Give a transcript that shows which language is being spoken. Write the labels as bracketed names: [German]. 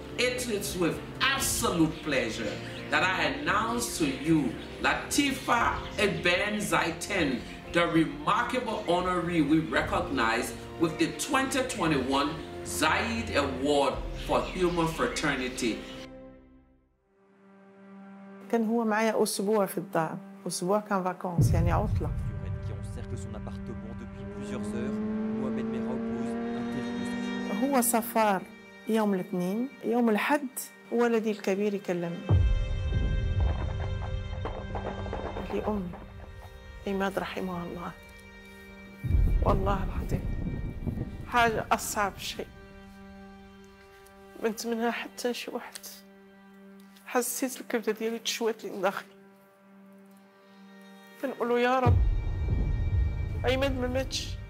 [English] It is with absolute pleasure that I announce to you Latifa Eben Zaiten, the remarkable honoree we recognize with the 2021 Zayed Award for Human Fraternity. [Arabic] كان هو معايا اسبوع في الدار، اسبوع كان فاكونس يعني عطله. [French] Qui encercle son appartement depuis plusieurs heures, Mohamed Merah oppose [Arabic] هو سفر يوم الاثنين، يوم الحد ولدي الكبير يكلمني لأم إماد رحمها الله. والله العظيم حاجة أصعب شيء، بنت منها حتى شوحت، حسيت الكبدة ديالي تشوات لي داخلي، كنقولو يا رب عماد ما ماتش.